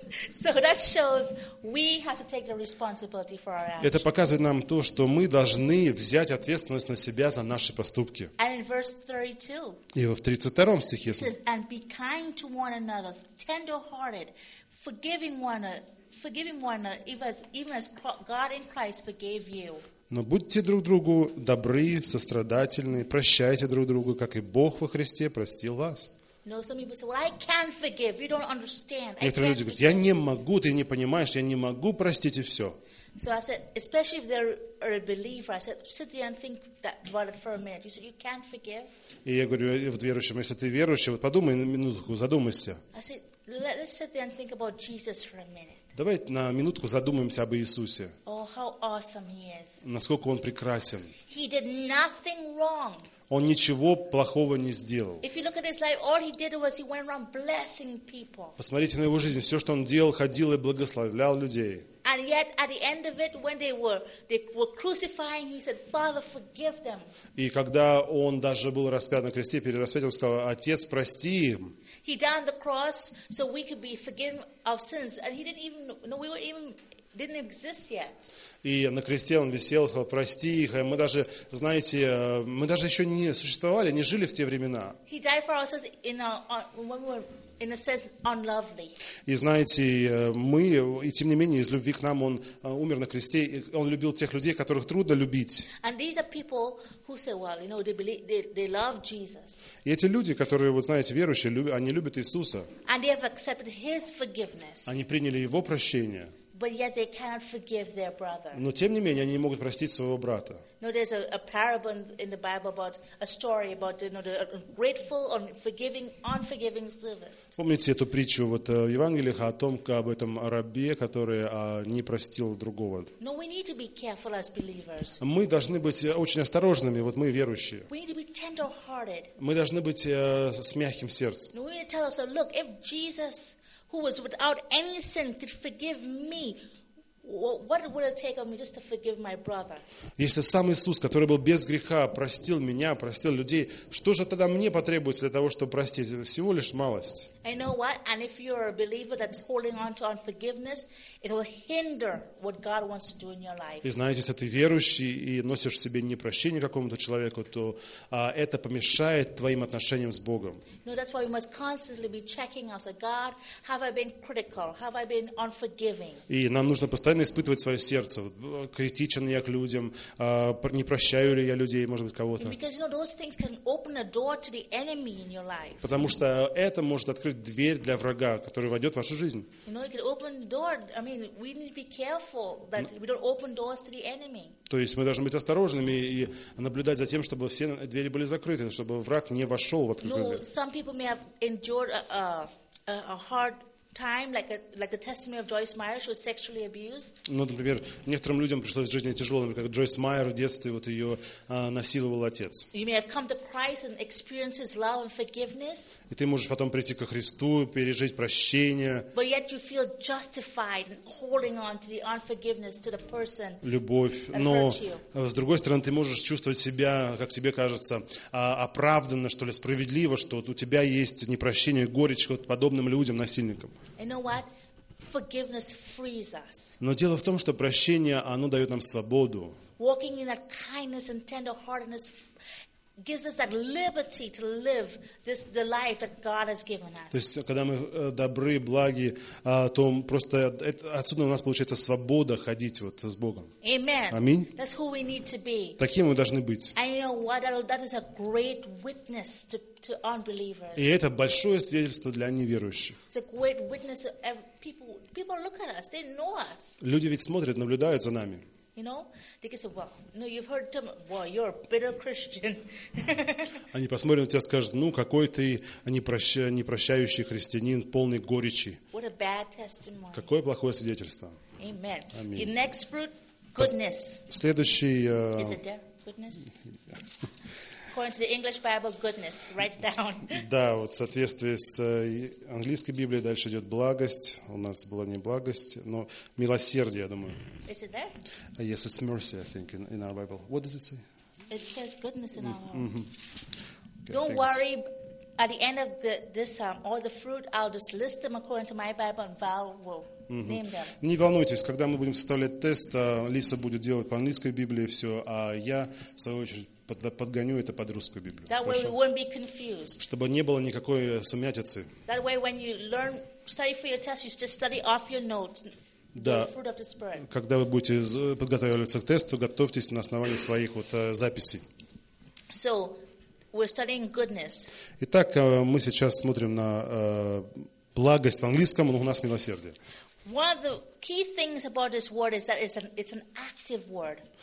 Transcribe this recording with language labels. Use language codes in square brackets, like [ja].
[en] So that shows we have to take the responsibility for our actions. [ru] Это показывает нам то, что мы должны взять ответственность на себя за наши поступки. [en] And in verse 32. [ru] И во 32 стихе. [en] Says, "And be kind to one another, tender-hearted, forgiving one another, even as God in Christ forgave you." [ru] Но будьте друг другу добры, сострадательны, прощайте друг другу, как и Бог во Христе простил вас. Некоторые люди говорят: "Я не могу, ты не понимаешь, я не могу простить и все." [en] So I said, especially if they're a believer, I said, "Sit there and think about it for a minute." You said, "You can't forgive." [ru] И я говорю верующим: "Если ты верующий, вот подумай на минутку, задумайся." [en] I said, "Let's sit there and think about Jesus for a minute." [ru] Давай на минутку задумаемся об Иисусе. [en] Oh, how awesome he is. [ru] Насколько он прекрасен. [en] He did nothing wrong. [ru] Он ничего плохого не сделал. [en] If you look at his life, all he did was he went around blessing people. [ru] Посмотрите на его жизнь. Все, что он делал, ходил и благословлял людей. [en] And yet, at the end of it, when they were crucifying, he said, "Father, forgive them." [ru] И когда он даже был распят на кресте, перед распятием, он сказал: "Отец, прости им." [en] He died on the cross so we could be forgiven of sins, and he didn't even know we were even. Didn't exist yet. [ru] И на кресте он висел, сказал: "Прости их". Мы даже, знаете, мы даже еще не существовали, не жили в те времена. [en] He died for us in our when we were in a sense unlovely. [ru] И знаете, мы и тем не менее из любви к нам он умер на кресте. Он любил тех людей, которых трудно любить. [en] And these are people who say, well, you know, they believe, they love Jesus. [ru] И эти люди, которые, вот знаете, верующие, они любят Иисуса. [en] And they have accepted His forgiveness. [ru] Они приняли Его прощение. [en] But yet they cannot forgive their brother. [ru] Но тем не менее они не могут простить своего брата. [en] No, there's a parable in the Bible about a story about you know, the ungrateful, unforgiving servant. [ru] Помните эту притчу вот в Евангелиях о том, как об этом рабе, который не простил другого. [en] No, we need to be careful as believers. [ru] Мы должны быть очень осторожными, вот мы верующие. [en] We need to be tender-hearted. [ru] Мы должны быть с мягким сердцем. [en] No, we need to tell ourselves, look, if Jesus who was without any sin could forgive me, what would it take of me just to forgive my brother? [ru] Если сам Иисус, который был без греха, простил меня, простил людей, что же тогда мне потребуется для того, чтобы простить? Это всего лишь малость. [en] And you know what? And if you're a believer that's holding on to unforgiveness, it will hinder what God wants to do in your life. [ru] И знаете, если ты верующий и носишь в себе непрощение какому-то человеку, то это помешает твоим отношениям с Богом. [en] No, that's why we must constantly be checking ourselves. God, have I been critical? Have I been unforgiving? [ru] И нам нужно постоянно испытывать свое сердце. Критичен ли я к людям? Не прощаю ли я людей, может быть, кого-то? [en] Because you know those things can open a door to the enemy in your life. [ru] Потому что это может открыть дверь для врага, который войдет в вашу жизнь. [en] You know, you can open the door. I mean, we need to be careful that we don't open doors to the enemy. [ru] То есть мы должны быть осторожными и наблюдать за тем, чтобы все двери были закрыты, чтобы враг не вошел в открытую дверь. [en] Some people may have endured a hard time, like the testimony of Joyce Meyer, she was sexually abused. [ru] Ну, например, некоторым людям пришлось в жизни тяжело, например, как Джойс Майер в детстве вот ее насиловал отец. [en] You may have come to Christ and experienced His love and forgiveness. [ru] И ты можешь потом прийти ко Христу, пережить прощение. [en] But yet you feel justified in holding on to the unforgiveness to the person. [ru] Любовь, но с другой стороны ты можешь чувствовать себя, как тебе кажется, оправданно что ли, справедливо, что у тебя есть непрощение, горечь к вот подобным людям, насильникам. [en] You know what? Forgiveness frees us. [ru] Но дело в том, что прощение, оно дает нам свободу. [en] Walking in that kindness and tender-heartedness gives us that liberty to live this the life that God has given us. [ru] То есть, когда мы добры, благи, то просто отсюда у нас получается свобода ходить вот с Богом. [en] Amen. [ru] Аминь. [en] That's who we need to be. [ru] Таким мы должны быть. [en] And you know what? That is a great witness to unbelievers. [ru] И это большое свидетельство для неверующих. [en] It's a great witness to people look at us, they know us. [ru] Люди ведь смотрят, наблюдают за нами. [en] You know, they can say, "Well, no, you've heard them. Well, you're a bitter Christian." [ru] Они посмотрят на тебя и скажут: "Ну, какой ты непрощающий христианин, полный горечи." [en] What a bad testimony! [ru] Какое плохое свидетельство! [en] Amen. The next fruit, goodness. [ru] Следующий. [en] Is it there? Goodness. According to the English Bible, goodness. Write down. [ru] Да, вот в соответствии с английской Библией дальше идет благость. У нас была не благость, но милосердие, я думаю. [en] Is it there? Yes, it's mercy, I think, in our Bible. What does it say? It says goodness in our Bible. Okay, don't worry. At the end of this, all the fruit, I'll just list them according to my Bible, and Val will. Mm-hmm. [ru] Не волнуйтесь, когда мы будем составлять тест, Лиса будет делать по английской Библии все, а я, в свою очередь, подгоню это под русскую Библию. [en] That way we won't be confused. [ru] Чтобы не было никакой сумятицы. [en] That way when you learn, study for your test, you just study off your notes. [ru] Да. [en] The fruit of the Spirit. [ru] Когда вы будете подготавливаться к тесту, готовьтесь на основании своих вот записей. [en] So, we're studying goodness. [ru] Итак, мы сейчас смотрим на благость в английском, но у нас милосердие. [en] One of the key things about this word is that it's an active word.